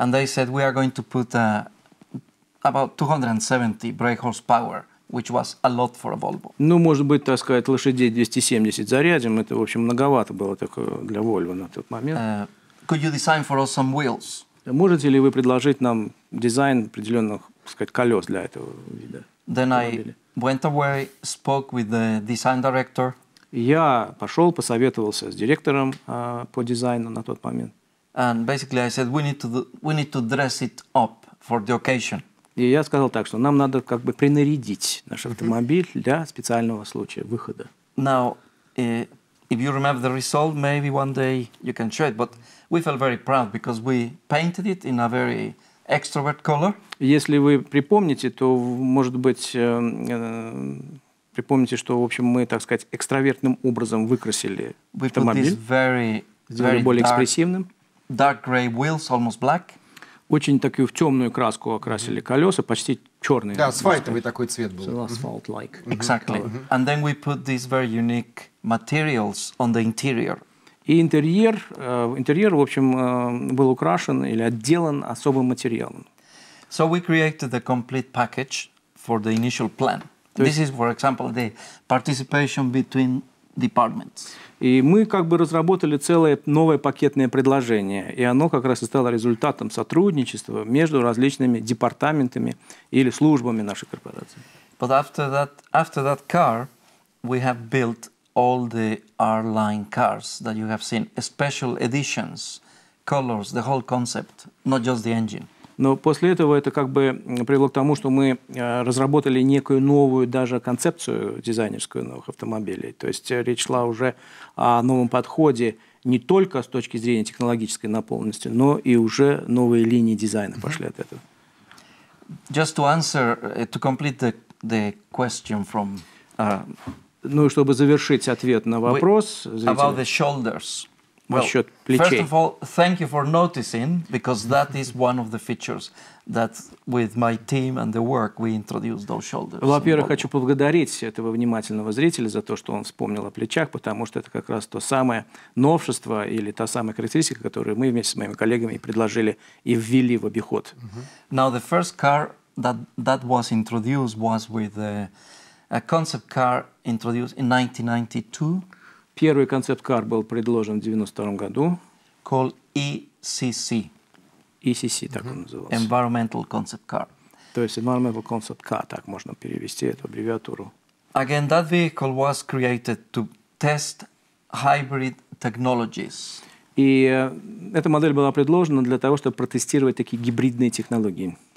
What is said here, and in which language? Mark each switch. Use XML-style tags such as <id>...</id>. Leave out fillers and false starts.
<en>And they said, we are going to put about 270 brake horsepower, which was a lot for a Volvo.</en> <ru>Ну, может быть, так сказать, лошадей 270 зарядим. Это, в общем, многовато было такое для Volvo на тот момент.</ru> <en>Could you design for us some wheels?</en> <ru>Можете ли вы предложить нам дизайн определенных, так сказать, колес для этого вида?</ru> <en>Then I went away, spoke with the design director.</en> <ru>Я пошел, посоветовался с директором по дизайну на тот момент.</ru> <en>And basically I said, we need to dress it up for the occasion.</en> <ru>И я сказал так, что нам надо как бы принарядить наш автомобиль для специального случая выхода.</ru> <en>Now, if you remember the result, maybe one day you can show it, but we felt very proud because we painted it in a very extrovert color.</en> <ru>Если вы припомните, то, может быть, припомните, что, в общем, мы, так сказать, экстравертным образом выкрасили автомобиль. Сделали более экспрессивным.</ru> <en>Dark gray wheels, almost black.</en> <ru>Очень такую в темную краску окрасили колеса, почти черные. Да, асфальтовый такой цвет был.</ru> <en>Asphalt-like. Exactly. And then we put these very unique materials on the interior.</en> <ru>И интерьер, в общем, был украшен или отделан особым материалом.</ru> <en>So we created the complete package for the initial plan. This is, for example, the participation between departments.</en> <ru>И мы как бы разработали целое новое пакетное предложение, и оно как раз и стало результатом сотрудничества между различными департаментами или службами нашей корпорации.</ru> <en>But after that car, we have built all the R-line cars that you have seen, special editions, colors, the whole concept, not just the engine.</en> <ru>Но после этого это как бы привело к тому, что мы разработали некую новую даже концепцию дизайнерскую новых автомобилей. То есть речь шла уже о новом подходе не только с точки зрения технологической наполненности, но и уже новые линии дизайна пошли от этого.</ru> <en>Just to answer, to complete the question from...</en> <ru>Ну и чтобы завершить ответ на вопрос, зрителя,</ru> <en>about the shoulders.</en> <ru>Насчет плечей.</ru> <en>First of all, thank you for noticing, because that is one of the features that with my team and the work we introduced those shoulders.</en> <ru>Во-первых, хочу поблагодарить этого внимательного зрителя за то, что он вспомнил о плечах, потому что это как раз то самое новшество или та самая характеристика, которую мы вместе с моими коллегами предложили и ввели в обиход.</ru> <en>Now the first car that was introduced was with a concept car introduced in 1992.</en> <ru>Первый концепт-кар был предложен в 92 году.</ru> <en>Called ECC.</en> <ru>ECC, так он назывался.</ru> <en>Environmental concept car.</en> <ru>То есть environmental concept car, так можно перевести эту аббревиатуру.</ru> <en>Again, that vehicle was created to test hybrid technologies.</en> <ru>И эта модель была предложена для того, чтобы протестировать такие гибридные технологии.</ru>